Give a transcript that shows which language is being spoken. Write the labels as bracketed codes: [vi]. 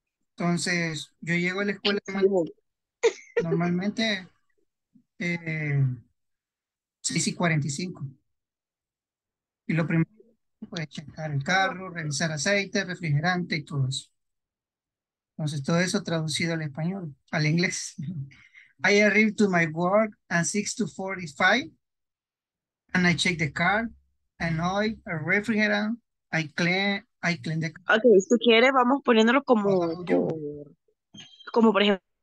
[es] Entonces, yo llego a la escuela de manejo. Normalmente, 6:45. Y lo primero. Puede checar el carro, revisar aceite, refrigerante y todo eso. Entonces, todo eso traducido al español, al inglés. [en] I arrive to my work at 6:45 and I check the car, an oil, a refrigerant, I clean the car. [es] Ok, si quiere, vamos poniéndolo como por ejemplo.